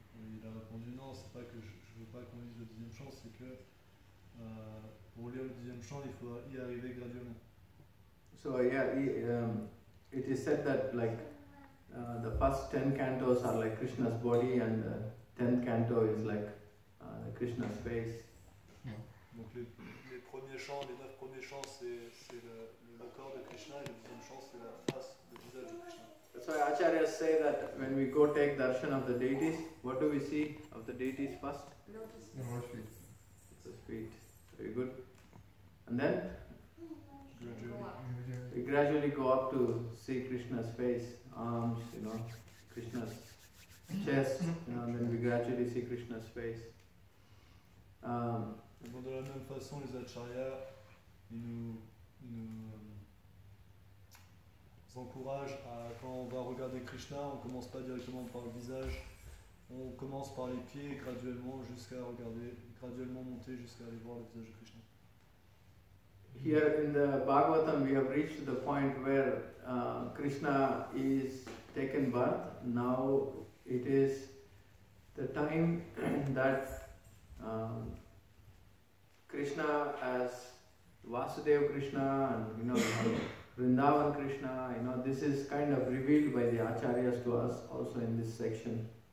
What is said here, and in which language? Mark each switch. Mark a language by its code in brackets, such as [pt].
[fr] Il a répondu, non, c'est pas que je veux pas qu'on lise le dixième chant, c'est que pour lire le dixième chant, il faut y arriver graduellement. [en] So, yeah, it is said that like the first 10 cantos are like Krishna's body and the 10th canto is like Krishna's face. [fr] Donc les premiers chants, les 9 premiers chants, c'est le corps de Krishna et le dixième chant, c'est la face, le visage de Krishna. [en] So acharyas say that when we go take darshan of the deities, what do we see of the deities first? Lotus feet. Lotus feet. Very good. And then? Gradually. We gradually go up to see Krishna's face, arms, you know, Krishna's chest, you know, and then we gradually see Krishna's face. [fr] De la même façon, les acharyas, ils nous encourage à quand on va regarder Krishna, on commence pas directement par le visage, on commence par les pieds graduellement jusqu'à regarder, graduellement monter jusqu'à aller voir le visage de Krishna. [en] Here in the Bhagavatam, we have reached the point where Krishna is taken birth. Now it is the time that Krishna as Vasudev Krishna and Vrindavan Krishna, this is kind of revealed by the acharyas to us also in this section.